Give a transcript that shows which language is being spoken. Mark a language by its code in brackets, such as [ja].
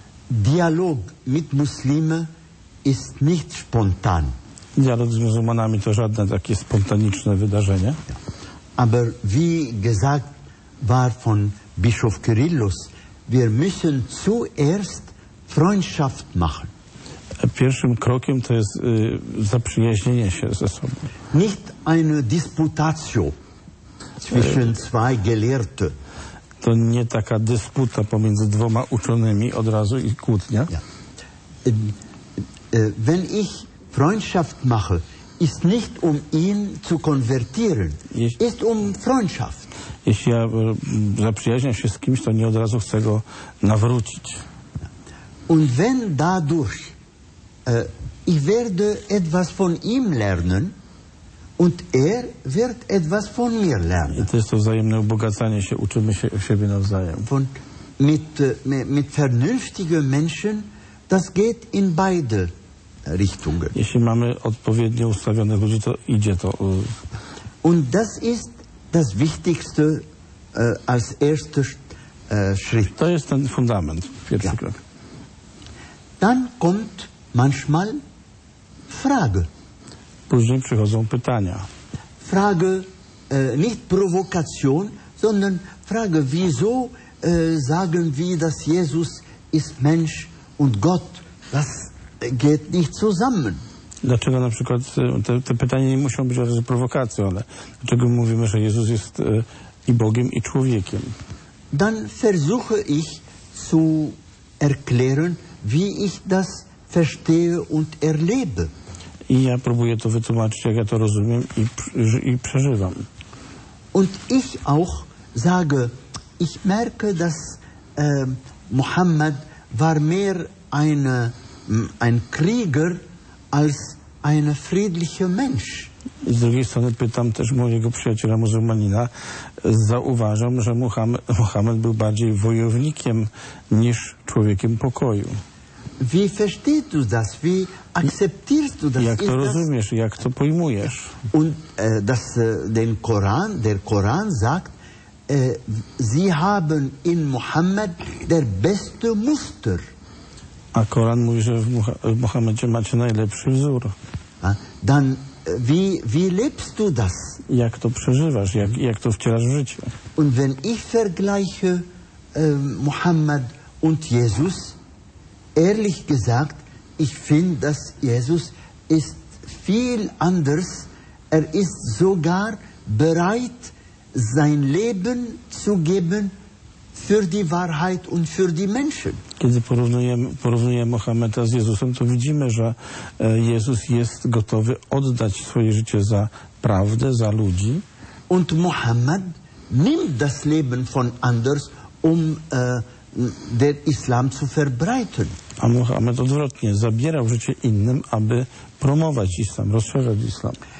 [de] Dialog mit Muslimen ist nicht spontan. [pl] Dialog z muzułmanami to żadne takie spontaniczne wydarzenie. [de] Aber wie gesagt war von Bischof Kyrillus, wir müssen zuerst Freundschaft machen. [pl] Pierwszym krokiem to jest zaprzyjaźnienie się ze sobą. [de] Nicht eine Disputatio zwischen zwei Gelehrten. [pl] To nie taka dysputa pomiędzy dwoma uczonymi od razu i kłótnia. [de] Ja. Wenn ich Freundschaft mache, ist nicht um ihn zu konvertieren, ist um Freundschaft. [pl] Jeśli ja zaprzyjaźniam się z kimś, to nie od razu chcę go nawrócić. [de] Und wenn dadurch ich werde etwas von ihm lernen und er wird etwas von mir lernen. [pl] I to jest to wzajemne ubogacanie się, uczymy się siebie nawzajem. [de] Und mit vernünftigen Menschen, das geht in beide Richtungen. [pl] Jeśli mamy odpowiednio ustawionych ludzi, to idzie to. [de] Und das ist das Wichtigste als erster Schritt. [pl] To jest ten fundament, pierwszy krok. [de] Dann kommt manchmal Frage. [pl] Później przychodzą pytania. [de] Frage, nicht Provokation, sondern Frage, wieso sagen wir, dass Jesus ist Mensch und Gott? Das geht nicht zusammen. [pl] Dlaczego na przykład, te pytania nie muszą być od razu prowokacją, ale dlaczego mówimy, że Jezus jest i Bogiem, i człowiekiem? [de] Dann versuche ich zu erklären, wie ich das verstehe und erlebe. [pl] I ja próbuję to wytłumaczyć, jak ja to rozumiem i przeżywam. [de] Und ich auch sage, ich merke, dass Mohammed war mehr ein Krieger, als ein friedlicher Mensch. [pl] Z drugiej strony pytam też mojego przyjaciela muzułmanina, zauważam, że Mohammed był bardziej wojownikiem niż człowiekiem pokoju. [de] Wie verstehst du das? Wie akzeptierst du das? [pl] Jak to rozumiesz? Jak to pojmujesz? [de] Und das den Koran, der Koran sagt, sie haben in Mohammed der beste Muster. [pl] A Koran mówi, że w Mohamedzie macie najlepszy wzór. A, [de] dann, wie lebst du das? [pl] Jak to przeżywasz? Jak to wcielasz w życie? [de] Und wenn ich vergleiche Mohammed und Jesus, ehrlich gesagt, ich finde, dass Jesus ist viel anders. Er ist sogar bereit, sein Leben zu geben für die Wahrheit und für die Menschen. [pl] Kiedy porównujemy Mohameda z Jezusem, to widzimy, że Jezus jest gotowy oddać swoje życie za prawdę, za ludzi. [de] Und Mohammed nimmt das Leben von anders, um den Islam zu verbreiten. [pl] A Mohammed odwrotnie, zabierał życie innym, aby promować Islam, rozszerzać Islam.